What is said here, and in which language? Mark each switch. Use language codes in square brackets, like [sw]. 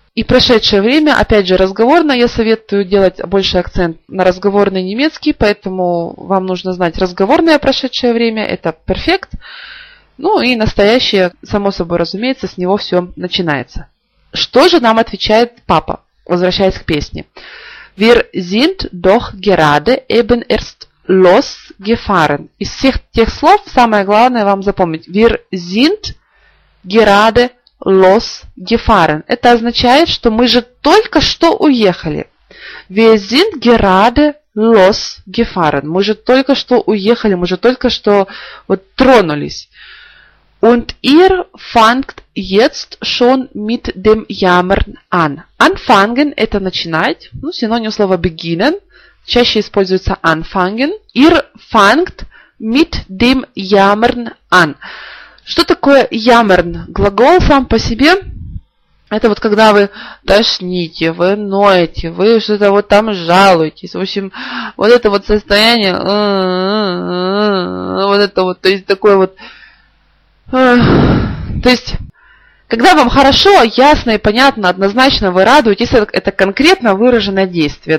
[ru] И прошедшее время, опять же, разговорное, я советую делать больше акцент на разговорный немецкий, поэтому вам нужно знать разговорное прошедшее время, это перфект. Ну и настоящее, само собой разумеется, с него все начинается. Что же нам отвечает папа, возвращаясь к песне? [de] Wir sind doch gerade eben erst losgefahren. [ru] Из всех тех слов самое главное вам запомнить. [de] Wir sind gerade los gefahren. [ru] Это означает, что мы же только что уехали. [de] Wir sind gerade los gefahren. [ru] Мы же только что уехали, мы же только что вот тронулись. [de] Und ihr fangt jetzt schon mit dem Jammern an. [ru] Anfangen – это начинать. Ну, синоним слова beginnen. Чаще используется anfangen. [de] Ihr fangt mit dem Jammern an. [ru] Что такое jammern? Глагол сам по себе. Это вот когда вы тошните, вы ноете, вы что-то вот там жалуетесь. В общем, вот это вот состояние. Вот это вот, то есть такое вот. То есть, когда вам хорошо, ясно и понятно, однозначно вы радуетесь, это конкретно выраженное действие.